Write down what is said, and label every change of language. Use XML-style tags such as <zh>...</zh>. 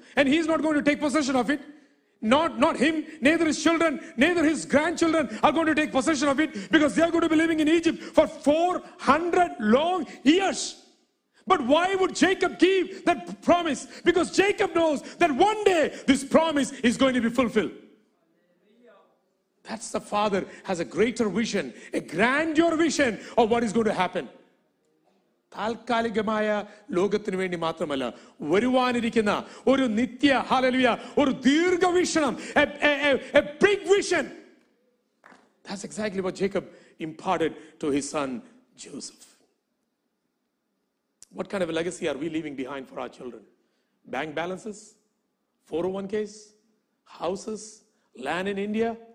<en>And he's not going to take possession of it. Not him, neither his children, neither his grandchildren are going to take possession of it, because they are going to be living in Egypt for 400 long years. But why would Jacob give that promise? Because Jacob knows that one day this promise is going to be fulfilled. That's the father has a greater vision, a grander vision of what is going to happen.</en> <ml>താൽക്കാലികമായ ലോകത്തിന് വേണ്ടി മാത്രമല്ല, വരുവാനിരിക്കുന്ന ഒരു നിത്യ, hallelujah, ഒരു ദീർഘവീക്ഷണം,</ml> <en>A big vision. That's exactly what Jacob imparted to his son Joseph. What kind of a legacy are we leaving behind for our children? Bank balances, 401ks, houses, land in India?</en>